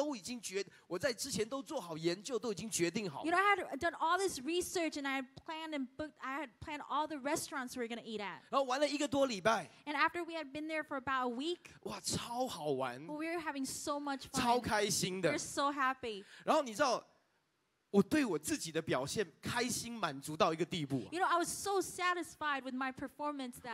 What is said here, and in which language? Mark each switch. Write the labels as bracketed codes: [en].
[zh] 包括每一餐家的餐厅都已经决定好研究，都已经决定好。 [en] You know, I had done all this research, and I had planned and booked. I had planned all the restaurants we were going to eat at. [zh] 然后玩了一个多礼拜, [en] and after we had been there for about a week, [zh] 哇，超好玩！ [en] We were having so much fun. [zh] 超开心的。 [en] We're so happy. [zh] 然后你知道, 我对我自己的表现开心满足到一个地步。 [en] You know, I was so satisfied with my performance that